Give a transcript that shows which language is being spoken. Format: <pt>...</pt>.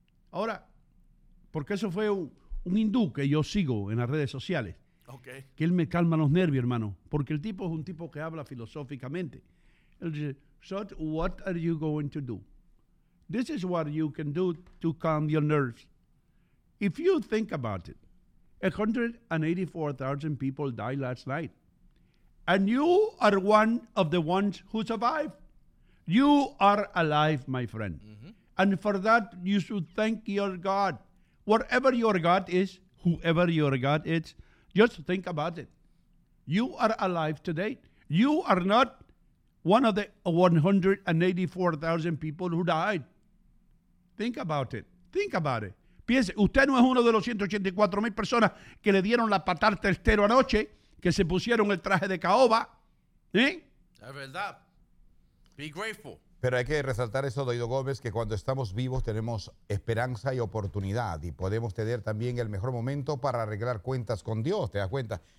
<es>Ahora, porque eso fue un hindú que yo sigo en las redes sociales.</es> <en>Okay.</en> <es>Que él me calma los nervios, hermano. Porque el tipo es un tipo que habla filosóficamente. Él dice,</es> <en>so what are you going to do? This is what you can do to calm your nerves. If you think about it, 184,000 people died last night. And you are one of the ones who survived. You are alive, my friend. Mm-hmm. And for that, you should thank your God. Whatever your God is, whoever your God is, just think about it. You are alive today. You are not one of the 184,000 people who died. Think about it.</en> <es>Piense, usted no es uno de los 184 mil personas que le dieron la patada testero anoche, que se pusieron el traje de caoba. ¿Eh? Es verdad.</es> <en>Be grateful.</en> <es>Pero hay que resaltar eso, Ino Gomez, que cuando estamos vivos tenemos esperanza y oportunidad y podemos tener también el mejor momento para arreglar cuentas con Dios, ¿te das cuenta?</es>